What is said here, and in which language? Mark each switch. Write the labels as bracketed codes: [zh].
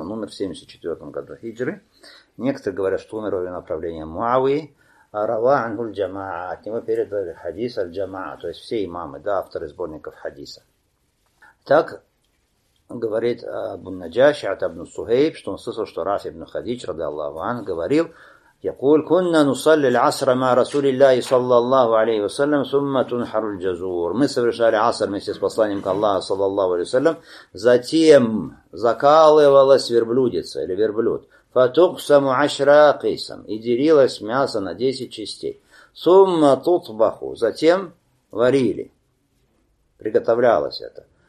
[ru] Он умер в 74 году хиджры. Некоторые говорят, что умер во время правления Муавии. Рава ангуль джамаа. От него передали хадис аль-джамаа. То есть все имамы, да, авторы сборников хадиса. Так говорит Абу Наджаши, Атабну Сухейб, что он слышал, что Рафи ибн Хадидж, радиаллаху анху, говорил, [ar] يقول كنا نصلي العصر مع رسول الله صلى الله عليه وسلم ثم تنحر الجزور. [ru] Мы совершали аср вместе с посланником Аллаха [ar] صلى الله عليه وسلم. [ru] Затем закалывалась верблюдица или верблюд. [ar] فتقسم عشرا قسم. [ru] И делилось мясо на 10 частей. [ar] ثم تطبخ. [ru] Затем варили. Приготовлялось это.